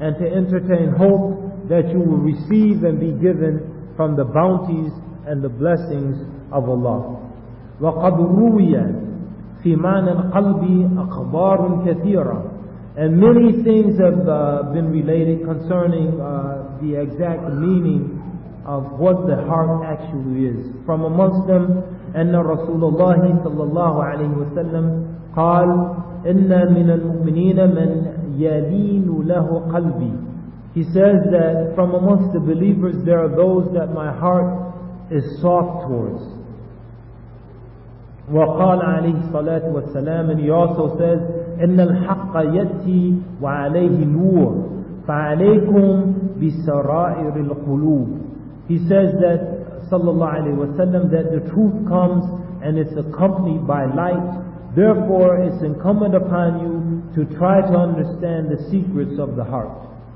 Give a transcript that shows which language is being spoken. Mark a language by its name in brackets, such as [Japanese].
[English] And to entertain hope that you will receive and be given from the bounties and the blessings of Allah. [Arabic] وَقَدْ رُوِيَ فِي مَعْنَ الْقَلْبِ أَخْبَارٌ كَثِيرًا. [English] And many things have been related concerning the exact meaning of what the heart actually is. From amongst them, [Arabic] أَنَّ رَسُولَ اللَّهِ صَلَّى اللَّهُ عَلَيْهِ وَسَلَّمْ قَالْ إِنَّ مِنَ الْمُؤْمِنِينَ مَنْ يَلِينُ لَهُ قَلْبِي. [English] He says that from amongst the believers there are those that my heart is soft towards. [Arabic] وقال عليه الصلاة والسلام, [English] and he also says, [Arabic] إن الحق يأتي وعليه نور فعليكم بسرائر القلوب. [English] He says that, [Arabic] صلى الله عليه وسلم, [English] that the truth comes and it's accompanied by light. Therefore, it's incumbent upon you to try to understand the secrets of the heart.